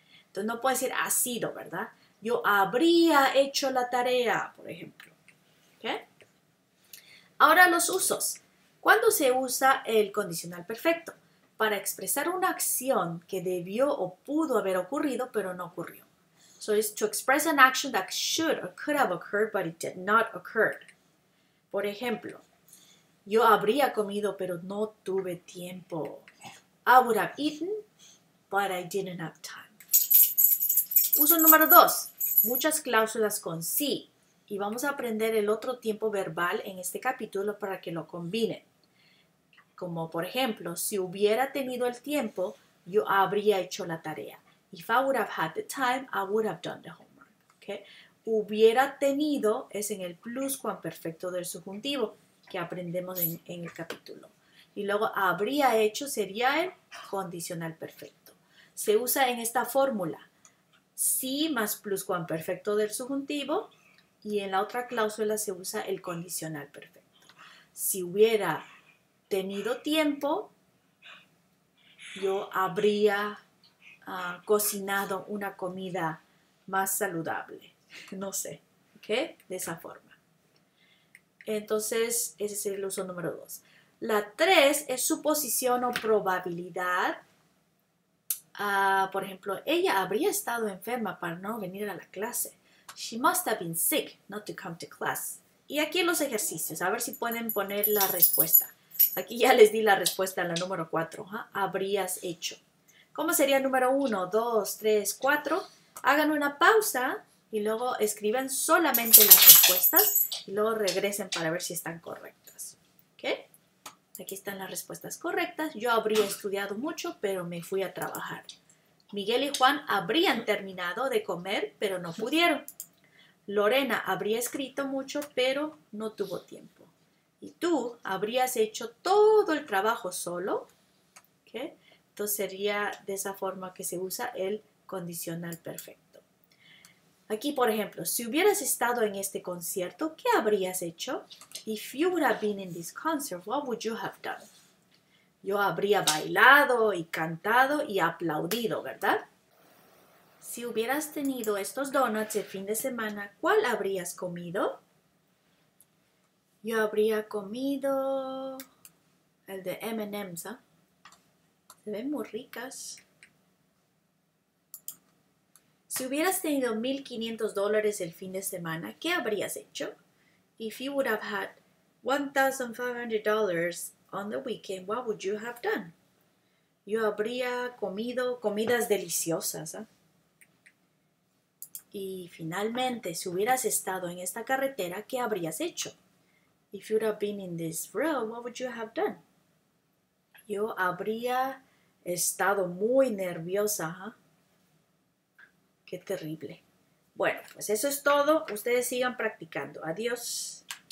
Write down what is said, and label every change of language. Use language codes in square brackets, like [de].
[es] Entonces, no puedo decir ha sido, ¿verdad? Yo habría hecho la tarea, por ejemplo. ¿Okay? Ahora, los usos. ¿Cuándo se usa el condicional perfecto? Para expresar una acción que debió o pudo haber ocurrido, pero no ocurrió. [en] So, it's to express an action that should or could have occurred, but it did not occur. [es] Por ejemplo, yo habría comido, pero no tuve tiempo. [en] I would have eaten, but I didn't have time. [es] Uso número 2. Muchas cláusulas con sí. Y vamos a aprender el otro tiempo verbal en este capítulo para que lo combinen. Como por ejemplo, si hubiera tenido el tiempo, yo habría hecho la tarea. [en] If I would have had the time, I would have done the homework. Okay? [es] Hubiera tenido es en el pluscuamperfecto del subjuntivo que aprendemos en el capítulo. Y luego, habría hecho sería el condicional perfecto. Se usa en esta fórmula. Sí más pluscuamperfecto del subjuntivo. Y en la otra cláusula se usa el condicional perfecto. Si hubiera tenido tiempo, yo habría cocinado una comida más saludable. No sé. ¿Okay? De esa forma. Entonces, ese es el uso número 2. La 3 es suposición o probabilidad. Por ejemplo, ella habría estado enferma para no venir a la clase. [en] She must have been sick not to come to class. [es] Y aquí en los ejercicios, a ver si pueden poner la respuesta. Aquí ya les di la respuesta en la número 4. ¿Huh? Habrías hecho. ¿Cómo sería número 1, 2, 3, 4? Hagan una pausa y luego escriban solamente las respuestas y luego regresen para ver si están correctas. Aquí están las respuestas correctas. Yo habría estudiado mucho, pero me fui a trabajar. Miguel y Juan habrían terminado de comer, pero no pudieron. Lorena habría escrito mucho, pero no tuvo tiempo. Y tú habrías hecho todo el trabajo solo. ¿Okay? Entonces sería de esa forma que se usa el condicional perfecto. Aquí, por ejemplo, si hubieras estado en este concierto, ¿qué habrías hecho? [en] If you would have been in this concert, what would you have done? [es] Yo habría bailado y cantado y aplaudido, ¿verdad? Si hubieras tenido estos donuts el fin de semana, ¿cuál habrías comido? Yo habría comido el de M&M's, ¿eh? Se ven muy ricas. Si hubieras tenido $1,500 el fin de semana, ¿qué habrías hecho? [en] If you would have had $1,500 on the weekend, what would you have done? [es] Yo habría comido comidas deliciosas. ¿Eh? Y finalmente, si hubieras estado en esta carretera, ¿qué habrías hecho? [en] If you'd have been in this road, what would you have done? [es] Yo habría estado muy nerviosa, ¿eh? Qué terrible. Bueno, pues eso es todo. Ustedes sigan practicando. Adiós.